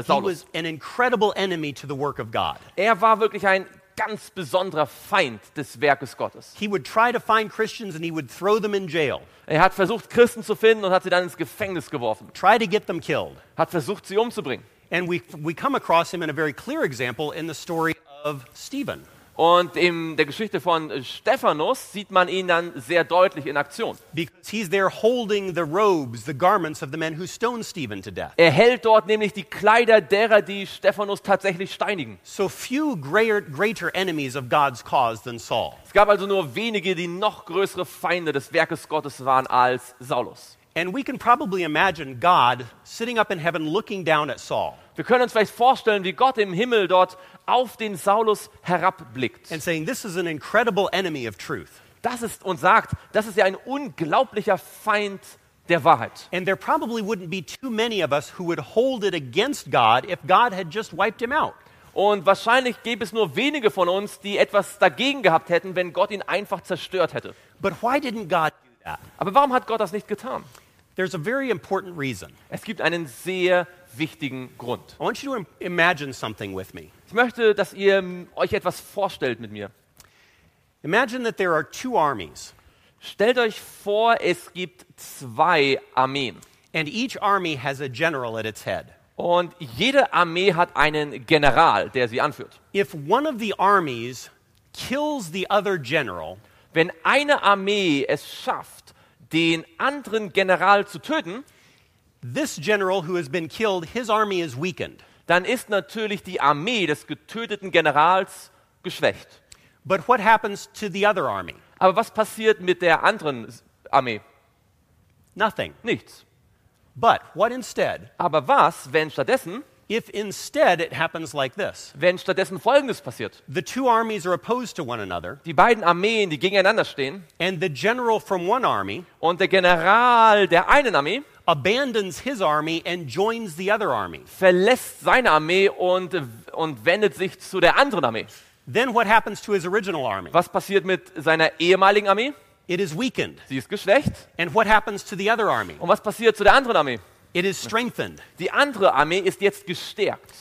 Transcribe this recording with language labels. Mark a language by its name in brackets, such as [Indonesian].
[English] He was an incredible enemy to the work of God. [German] Er war wirklich ein ganz besonderer Feind des Werkes Gottes. [English] He would try to find Christians and he would throw them in jail. [German] Er hat versucht Christen zu finden und hat sie dann ins Gefängnis geworfen. [English] Try to get them killed. [German] Hat versucht sie umzubringen. [English] And we come across him in a very clear example in the story of Stephen. [German] Und in der Geschichte von Stephanus sieht man ihn dann sehr deutlich in Aktion. [English] Because he's there holding the robes, the garments of the men who stoned Stephen to death. [German] Er hält dort nämlich die Kleider derer, die Stephanus tatsächlich steinigen. [English] So few greater enemies of God's cause than Saul. [German] Es gab also nur wenige, die noch größere Feinde des Werkes Gottes waren als Saulus. [English] And we can probably imagine God sitting up in heaven looking down at Saul. [German] Wir können uns vielleicht vorstellen, wie Gott im Himmel dort auf den Saulus herabblickt. [English] And saying, this is an incredible enemy of truth. [German] Das ist und sagt, das ist ja ein unglaublicher Feind der Wahrheit. [English] And there probably wouldn't be too many of us who would hold it against God if God had just wiped him out. [German] Und wahrscheinlich gäbe es nur wenige von uns, die etwas dagegen gehabt hätten, wenn Gott ihn einfach zerstört hätte. [English] But why didn't God? [German] Aber warum hat Gott das nicht getan? [English] There's a very important reason. [German] Es gibt einen sehr wichtigen Grund. [English] I want you to imagine something with me. [German] Ich möchte, dass ihr euch etwas vorstellt mit mir. [English] Imagine that there are two armies. [German] Stellt euch vor, es gibt zwei Armeen. [English] And each army has a general at its head. [German] Und jede Armee hat einen General, der sie anführt. [English] If one of the armies kills the other general, [German] wenn eine Armee es schafft, den anderen General zu töten, [English] this general who has been killed, his army is weakened. [German] Dann ist natürlich die Armee des getöteten Generals geschwächt. [English] But what happens to the other army? [German] Aber was passiert mit der anderen Armee? [English] Nothing. [German] Nichts. [English] But what instead? [German] Aber was, wenn stattdessen? [English] If instead it happens like this. [German] Wenn stattdessen Folgendes passiert. [English] The two armies are opposed to one another. [German] Die beiden Armeen, die gegeneinander stehen. [English] And the general from one army. [German] Und der General der einen Armee. [English] Abandons his army and joins the other army. [German] Verlässt seine Armee und wendet sich zu der anderen Armee. [English] Then what happens to his original army? [German] Was passiert mit seiner ehemaligen Armee? [English] It is weakened. [German] Sie ist geschwächt. [English] And what happens to the other army? [German] Und was passiert zu der anderen Armee? [English] It is strengthened. [German] Die andere Armee ist jetzt gestärkt.